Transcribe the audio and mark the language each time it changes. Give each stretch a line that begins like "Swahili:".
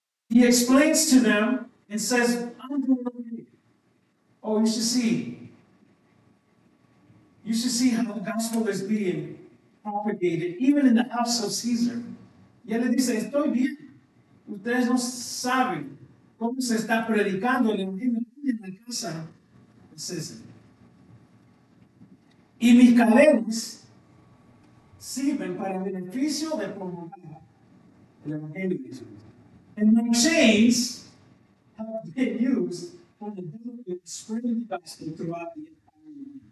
English: He explains to them and says, "I'm doing okay." Oh, you should see. You should see how the gospel is being propagated, even in the house of Caesar.
Spanish: Y él le dice, estoy bien. Ustedes no saben cómo se está predicando el evangelio en la casa de César. Y mis cadenas sirven para el beneficio de promover el evangelio de Jesús.
English: And my chains have been used for the benefit of spreading the gospel throughout the entire world.